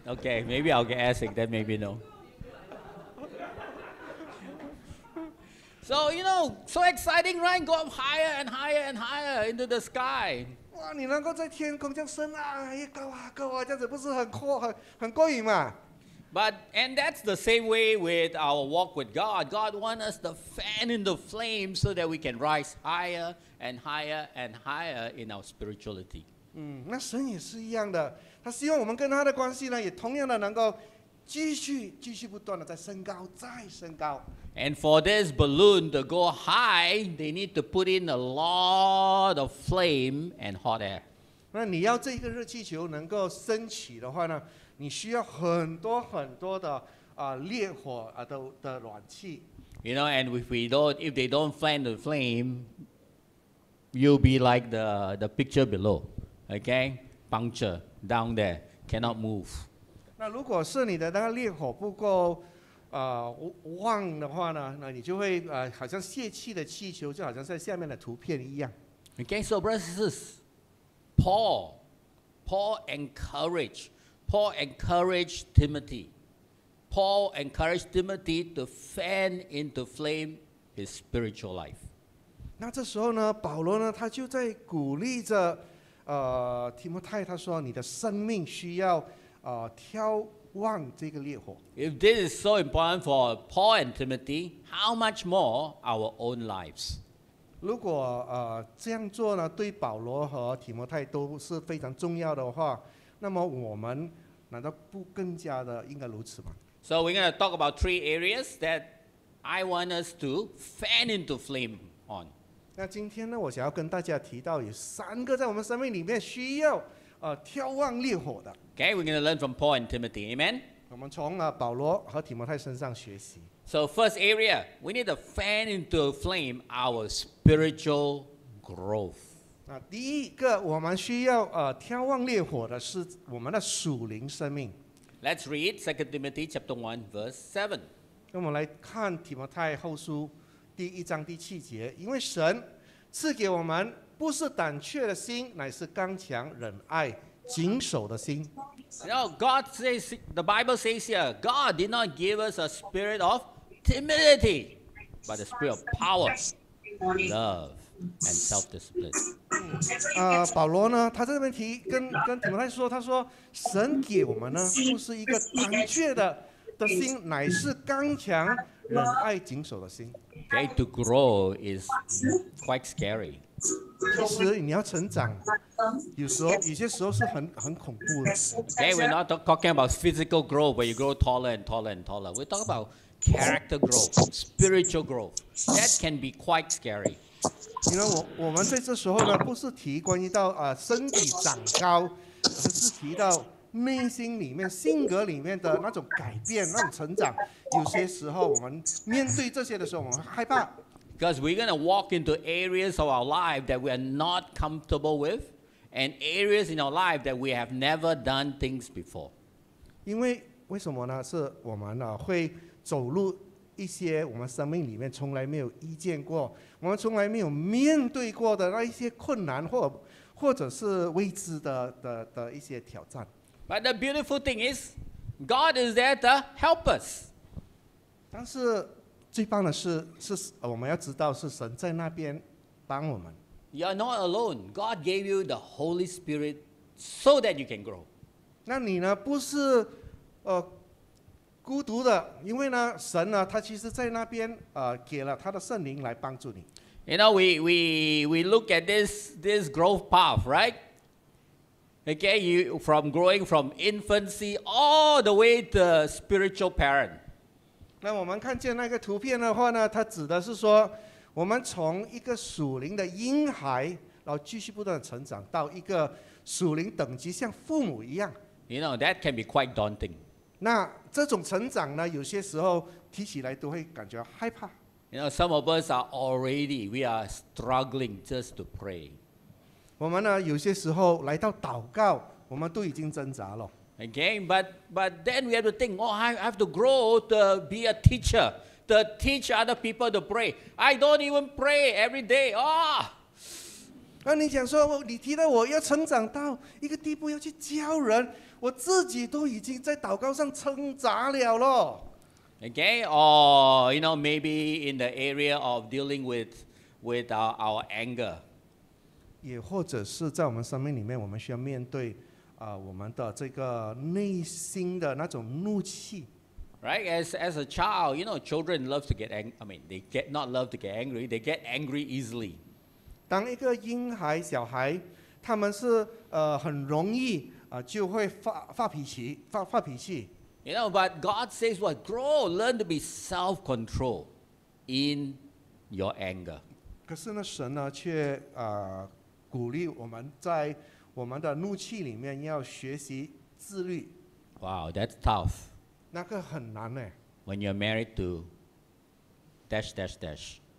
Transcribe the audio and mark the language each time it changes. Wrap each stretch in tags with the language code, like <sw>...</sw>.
<en>Okay, maybe I'll get air sick, then maybe no. So you know, so exciting, right? Go up higher and higher and higher into the sky.</en> <zh>哇，你能够在天空这样升啊，越高啊，高啊，这样子不是很过瘾嘛？</zh> <en>And that's the same way with our walk with God. God wants us to fan in the flame so that we can rise higher and higher and higher in our spirituality.</en> <zh>那神也是一样的，他希望我们跟他的关系呢，也同样的能够继续不断的在升高，再升高。</zh> <en>And for this balloon to go high, they need to put in a lot of flame and hot air.</en> <zh>那你要这个热气球能够升起的话呢？你需要很多很多的烈火的暖气。</zh> <en>You know, and if they don't fan the flame, you'll be like the picture below, okay? Puncture down there, cannot move.</en> <zh>那如果是你的那个烈火不够旺的话呢，那你就会好像泄气的气球，就好像在下面的图片一样。</zh> <en>Okay, so brothers, Paul encouraged. Paul encouraged Timothy. Paul encouraged Timothy to fan into flame his spiritual life.</en> <zh>那这时候呢，保罗呢，他就在鼓励着，提摩太，他说，你的生命需要，眺望这个烈火。</zh> <en>If this is so important for Paul and Timothy, how much more our own lives?</en> <zh>如果这样做呢，对保罗和提摩太都是非常重要的话。那么我们难道不更加的应该如此吗？</zh> <en>So we're going to talk about three areas that I want us to fan into flame on.</en> <zh>那今天呢，我想要跟大家提到有三个在我们生命里面需要眺望烈火的。</zh> <en>Okay, we're going to learn from Paul and Timothy. Amen.</en> <zh>我们从保罗和提摩太身上学习。</zh> <en>So first area, we need to fan into flame our spiritual growth.</en> <zh>那第一个我们需要眺望烈火的是我们的属灵生命。</zh> <en>Let's read 2 Timothy chapter 1 verse 7。</en> <zh>那我们来看提摩太后书第一章第七节，因为神赐给我们不是胆怯的心，乃是刚强忍爱谨守的心。</zh> <en>Now God says, the Bible says here, God did not give us a spirit of timidity, but a spirit of power, love. And self-discipline.</en> <zh>保罗呢，他在这边提跟提摩太说，他说神给我们呢，不是一个胆怯的心，乃是刚强、忍爱、谨守的心。</zh> <en>Okay, to grow is quite scary.</en> <zh>其实你要成长，有些时候是很恐怖的。</zh> <en>Okay, we're not talking about physical growth, where you grow taller and taller and taller. We're talking about character growth, spiritual growth. That can be quite scary.</en> <zh>你看我们在这时候呢，不是提关于到身体长高，而是提到内心里面、性格里面的那种改变、那种成长。有些时候我们面对这些的时候，我们害怕。</zh> <en>Because we're going to walk into areas of our life that we are not comfortable with, and areas in our life that we have never done things before.</en> <zh>因为为什么呢？是我们呢会走入一些我们生命里面从来没有遇见过。我们从来没有面对过的那一些困难或者是未知 的一些挑战。</zh> <en>But the beautiful thing is, God is there to help us.</en> <zh>但是最棒的是，是我们要知道是神在那边帮我们。</zh> <en>You are not alone. God gave you the Holy Spirit so that you can grow.</en> <zh>那你呢？不是，孤独的，因为呢，神呢，他其实在那边，给了他的圣灵来帮助你。</zh> <en>You know, we look at this growth path, right? Okay, you from growing from infancy all the way to spiritual parent.</en> <zh>那我们看见那个图片的话呢，它指的是说，我们从一个属灵的婴孩，然后继续不断成长到一个属灵等级，像父母一样。</zh> <en>You know, that can be quite daunting.</en> <zh>那这种成长呢，有些时候提起来都会感觉害怕。</zh> <en>You know, some of us are already, we are struggling just to pray.</en> <zh>我们呢，有些时候来到祷告，我们都已经挣扎了。</zh> <en>Again, but then we have to think, oh, I have to grow to be a teacher, to teach other people to pray. I don't even pray every day. Oh!</en> <zh>那你想说，你提到我要成长到一个地步要去教人，我自己都已经在祷告上挣扎了咯。</zh> <en>Okay, or you know, maybe in the area of dealing with our anger.</en> <zh>也或者是在我们生命里面，我们需要面对我们的这个内心的那种怒气。</zh> <en>Right, as a child, you know, children love to get angry. I mean, they get not love to get angry. They get angry easily.</en> <zh>当一个婴孩、小孩，他们是很容易就会发脾气。</zh> <en>You know, but God says, "What grow? Learn to be self-control in your anger."</en> <zh>可是呢，神呢却鼓励我们在我们的怒气里面要学习自律。</zh> <en>Wow, that's tough.</en> <zh>那个很难呢。</zh> <en>When you're married to dash dash dash.</en>